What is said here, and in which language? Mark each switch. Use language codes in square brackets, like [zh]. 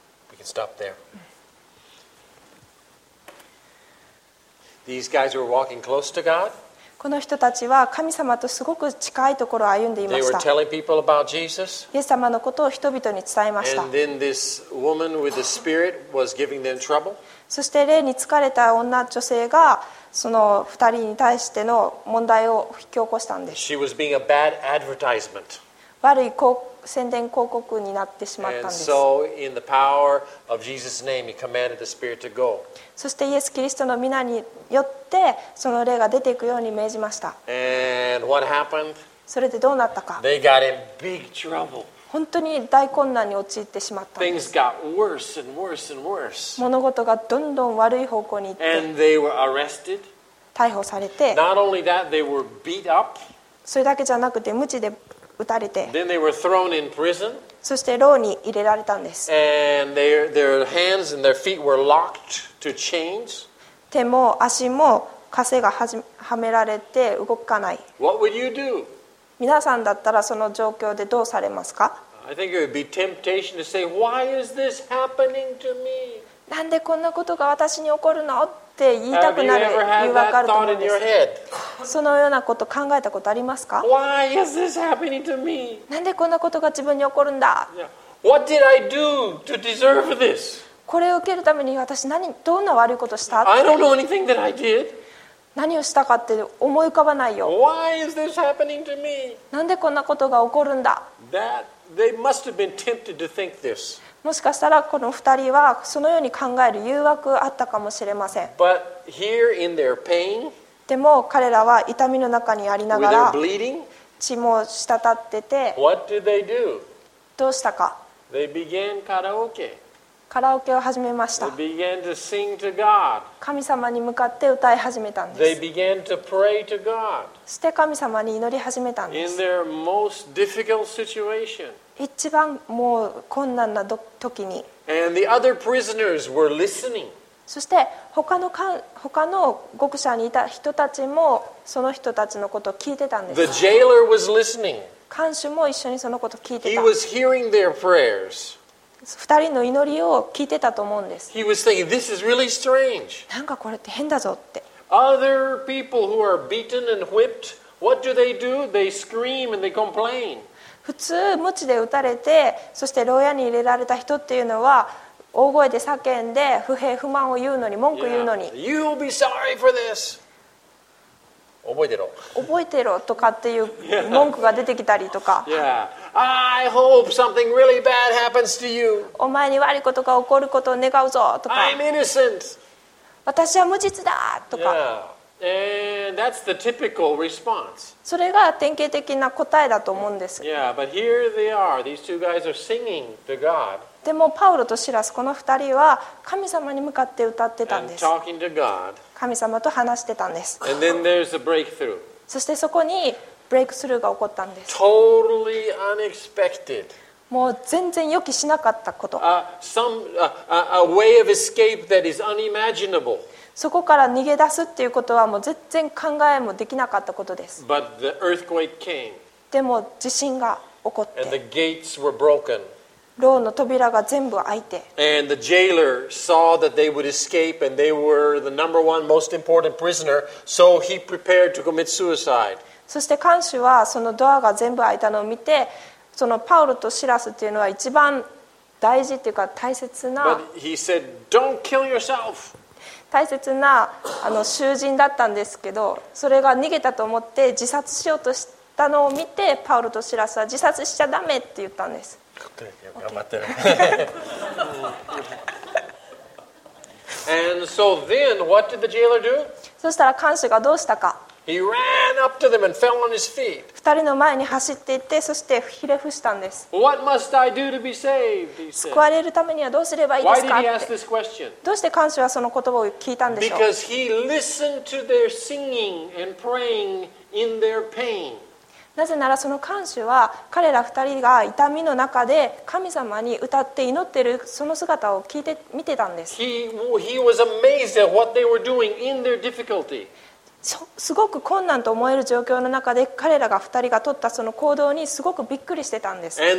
[en] We can stop there. These guys were walking close to God. [ja] この人たちは神様とすごく近いところを歩んでいました。 [en] They were telling people about Jesus. [ja] イエス様のことを人々に伝えました。 [en] And then this woman with the spirit was giving them trouble. [ja] そして霊に疲れた女女性がその二人に対しての問題を引き起こしたんです。 [en] She was being a bad advertisement. [ja] 悪い宣伝広告になってしまったんです。 [en] And so in the power of Jesus' name, he commanded the spirit to go. [ja] そしてイエス・キリストの名によってその霊が出ていくように命じました。 [en] And what happened? [ja] それでどうなったか。 [en] They got in big trouble. [ja] 本当に大困難に陥ってしまったんです。 [en] Things got worse and worse and worse. [ja] 物事がどんどん悪い方向に行って。 [en] And they were arrested. [ja] 逮捕されて。 [en] Not only that, they were beat up. [ja] それだけじゃなくて無知で撃たれて、 [en] Then they were thrown in prison. [ja] そして牢に入れられたんです。 [en] And their hands and their feet were locked to chains. [ja] 手も足も枷がはめられて動かない。 [en] What would you do? [ja] 皆さんだったらその状況でどうされますか？ [en] I think it would be temptation to say, Why is this happening to me? [ja] なんでこんなことが私に起こるの？って言いたくなる理由わかると思うんです。そのようなこと考えたことありますか？ [en] Why is this happening to me? [ja] なんでこんなことが自分に起こるんだ。 [en] What did I do to deserve this? [ja] これを受けるために私何どんな悪いことした？ [en] I don't know anything that I did. [ja] 何をしたかって思い浮かばないよ。 [en] Why is this happening to me? [ja] なんでこんなことが起こるんだ。 [en] That they must have been tempted to think this. [ja] もしかしたらこの二人はそのように考える誘惑あったかもしれません。 [en] But here in their pain, [ja] でも彼らは痛みの中にありながら [en] with their bleeding, [ja] 血も滴ってて、 [en] What did they do? [ja] どうしたか。 [en] They began karaoke. [ja] カラオケを始めました。 [en] They began to sing to God. [ja] 神様に向かって歌い始めたんです。 [en] They began to pray to God. [ja] そして神様に祈り始めたんです。 [en] In their most difficult situation. [ja] 一番もう困難な時に。 [en] And the other prisoners were listening. [ja] そして他の獄舎にいた人たちもその人たちのことを聞いてたんです。 [en] The jailer was listening. [ja] 看守も一緒にそのことを聞いてた。 [en] He was hearing their prayers. [ja] 二人の祈りを聞いてたと思うんです。 [en] He was thinking, this is really strange. [ja] なんかこれって変だぞって。 [en] Other people who are beaten and whipped, what do? They scream and they complain. [ja] 普通無知で撃たれてそして牢屋に入れられた人っていうのは大声で叫んで不平不満を言うのに文句言うのに、 [en] yeah. You'll be sorry for this. [ja] 覚えてろとかっていう文句が出てきたりとか、 [en] yeah. I hope something really bad happens to you. [ja] お前に悪いことが起こることを願うぞとか、 [en] I'm innocent. [ja] 私は無実だとか、 [en] yeah. And that's the typical response. [ja] それが典型的な答えだと思うんです。 [en] Yeah, but here they are. These two guys are singing to God. [ja] でもパウロとシラスこの二人は神様に向かって歌ってたんです。 [en] And talking to God. [ja] 神様と話してたんです。 [en] And then there's a breakthrough. [ja] そしてそこにブレイクスルーが起こったんです。 [en] Totally unexpected. [ja] もう全然予期しなかったこと。 [en] A way of escape that is unimaginable. [ja] そこから逃げ出すっていうことはもう全然考えもできなかったことです。 [en] But the earthquake came. [ja] でも地震が起こって。 [en] And the gates were broken. [ja] 牢の扉が全部開いて。 [en] And the jailer saw that they would escape and they were the number one most important prisoner, so he prepared to commit suicide. [ja] そして看守はそのドアが全部開いたのを見て、そのパウロとシラスっていうのは一番大事っていうか大切な。 [en] But he said, "Don't kill yourself." [ja] 大切なあの囚人だったんですけど、それが逃げたと思って自殺しようとしたのを見て、パウロとシラスは自殺しちゃダメって言ったんです。頑張ってる。 [en] And so then, what did the jailer do? [ja] そしたら看守がどうしたか。 [en] He ran up to them and fell on his feet. [ja] 二人の前に走っていって、そしてひれ伏したんです。 [en] What must I do to be saved? He said. [ja] 救われるためにはどうすればいいですか？ [en] Why did he ask this question? [ja] どうして看守はその言葉を聞いたんでしょう？ [en] Because he listened to their singing and praying in their pain. [ja] なぜならその看守は彼ら二人が痛みの中で神様に歌って祈ってるその姿を聞いて見てたんです。 [en] He was amazed at what they were doing in their difficulty. [ja] すごく困難と思える状況の中で彼らが2人が取ったその行動にすごくびっくりしてたんです。